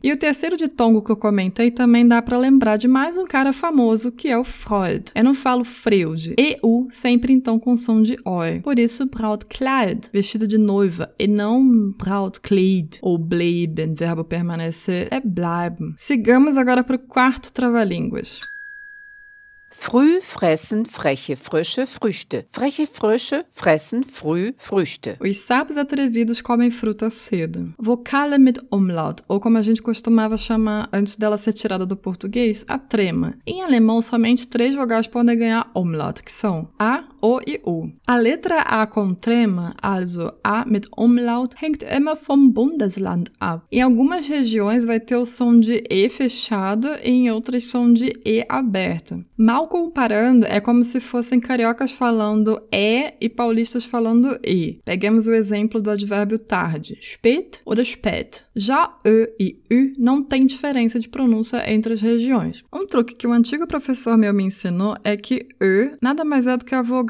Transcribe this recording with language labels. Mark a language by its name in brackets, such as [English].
[Portuguese] E o terceiro ditongo que eu comentei também dá pra lembrar de mais um cara famoso que é o Freud. Eu não falo Freud. EU sempre então com som de OI. Por isso Brautkleid, vestido de noiva e não Brautkleid ou bleiben, verbo permanecer, é bleiben. Sigamos agora pro quarto trava-línguas. [German] Früh fressen freche frische Früchte. Freche frische fressen früh Früchte. [Portuguese] Os sapos atrevidos comem fruta cedo. Vocale mit Umlaut, ou como a gente costumava chamar antes dela ser tirada do português, a trema. Em alemão, somente três vogais podem ganhar Umlaut, que são A, O e U. A letra A com trema, [German] also A mit Umlaut, hängt immer vom Bundesland ab. [Portuguese] Em algumas regiões vai ter o som de E fechado e em outras som de E aberto. Mal comparando, é como se fossem cariocas falando E e paulistas falando E. Peguemos o exemplo do advérbio tarde, [German] spät oder spät. [Portuguese] Já Ö e Ü não tem diferença de pronúncia entre as regiões. Um truque que um antigo professor meu me ensinou é que Ö nada mais é do que a vogal